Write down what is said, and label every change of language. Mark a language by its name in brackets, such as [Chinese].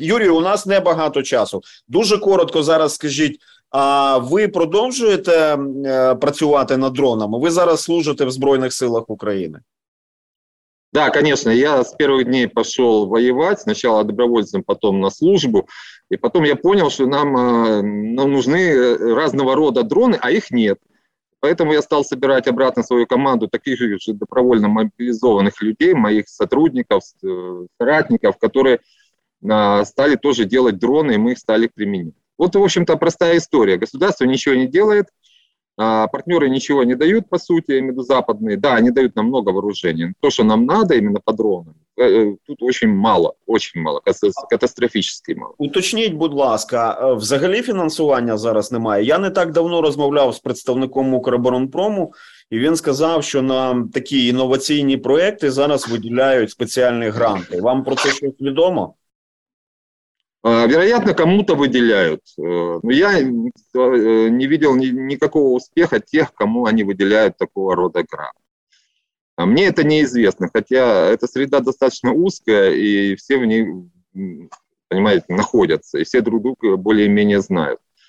[Ukrainian] Юрію, у нас небагато часу. Дуже коротко зараз скажіть, ви продовжуєте працювати над дронами? Ви зараз служите в Збройних силах України? [Russian] Да, конечно. Я с первых дней пошел воевать, сначала добровольцем, потом на службу. И потом я понял, что нам нужны разного рода дроны, а их нет. Поэтому я стал собирать обратно свою команду таких же добровольно мобилизованных людей, моих сотрудников, соратников, которые стали тоже делать дроны, и мы их стали применять. Вот, в общем-то, простая история. Государство ничего не делает. Партнеры ничего не дают, по сути, именно западные. Да, они дают нам много вооружения. То, что нам надо именно по дронам, тут очень мало, катастрофически мало. [Ukrainian] Уточніть, будь ласка, взагалі фінансування зараз немає. Я не так давно розмовляв з представником Укроборонпрому, і він сказав, що на такі інноваційні проекти зараз виділяють спеціальні гранти. Вам про це щось відомо? [Russian] Вероятно, кому-то выделяют. Но я не видел никакого успеха тех, кому они выделяют такого рода грант. Мне это неизвестно, хотя эта среда достаточно узкая, и все в ней, понимаете, находятся, и все друг друга более-менее знают.